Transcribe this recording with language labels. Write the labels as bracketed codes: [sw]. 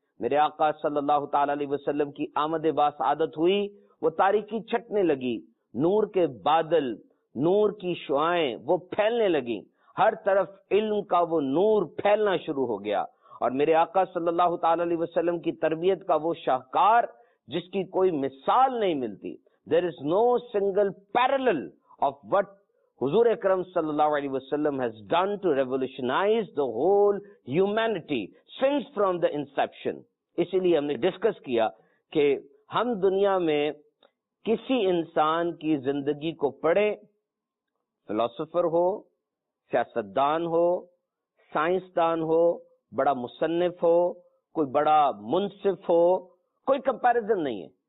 [ur] میرے آقا صلی اللہ تعالی علیہ وسلم کی آمد باس عادت ہوئی, وہ تاریکی چھٹنے لگی, نور کے بادل, نور کی شعائیں وہ پھیلنے لگی, ہر طرف علم کا وہ نور پھیلنا شروع ہو گیا. اور میرے آقا صلی اللہ تعالی علیہ وسلم کی تربیت کا وہ شاہکار جس کی کوئی مثال نہیں ملتی. [en] There is no single parallel of what حضور اکرم صلی اللہ علیہ وسلم has done to revolutionize the whole humanity since from the inception. [ur] اسی لیے ہم نے ڈسکس کیا کہ ہم دنیا میں کسی انسان کی زندگی کو پڑھیں, فلسفر ہو, سیاستدان ہو, سائنسدان ہو, بڑا مصنف ہو, کوئی بڑا منصف ہو, کوئی کمپیریزن نہیں ہے.